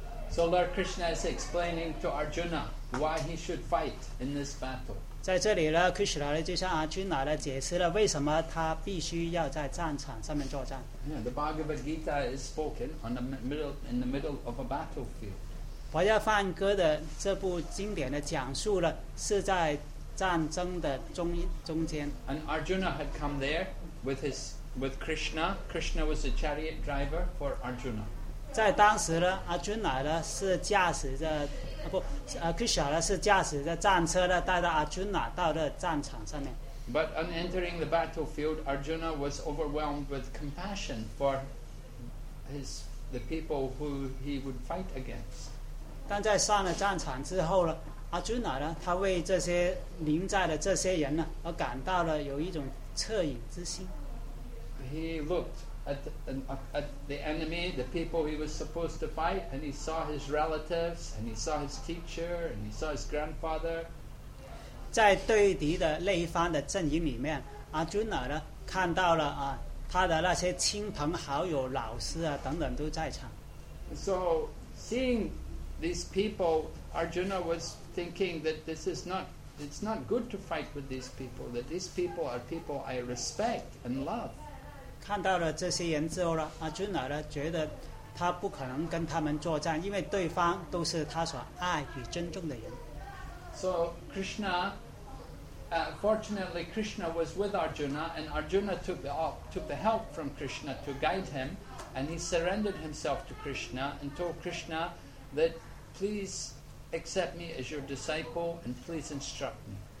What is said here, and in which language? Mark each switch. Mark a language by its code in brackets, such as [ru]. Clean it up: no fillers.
[en] So Lord Krishna is explaining to Arjuna why he should fight in this battle. [zh] 在这里呢 ，Krishna 呢就向阿尊呢解释了为什么他必须要在战场上面作战。 [en] Yeah, the Bhagavad Gita is spoken in the middle of a battlefield. [zh] 佛教梵歌的这部经典的讲述了是在战争的中间。 [en] And Arjuna had come there with Krishna. Krishna was the chariot driver for Arjuna. [zh] 在当时呢阿尊乃呢是驾驶着Krishna 呢是驾驶着战车呢带着阿尊乃到了战场上面。 [en] But on entering the battlefield, Arjuna was overwhelmed with compassion for the people who he would fight against. [zh] 但在上了战场之后呢阿尊乃呢他为这些临在的这些人呢而感到了有一种恻隐之心。 [en] He looked. At the enemy, the people he was supposed to fight, and he saw his relatives, and he saw his teacher, and he saw his grandfather. [zh] 在对敌的那一方的阵营里面，阿尊呢看到了他的那些亲朋好友、老师啊等等都在场。 [en] So seeing these people, Arjuna was thinking that this is not—it's not good to fight with these people. That these people are people I respect and love. [zh] 看到了这些人之后呢阿尊乃呢觉得他不可能跟他们作战，因为对方都是他所爱与尊重的人。 [en] So Krishna, fortunately Krishna was with Arjuna, and Arjuna took the help from Krishna to guide him, and he surrendered himself to Krishna and told Krishna that please accept me as your disciple and please instruct me.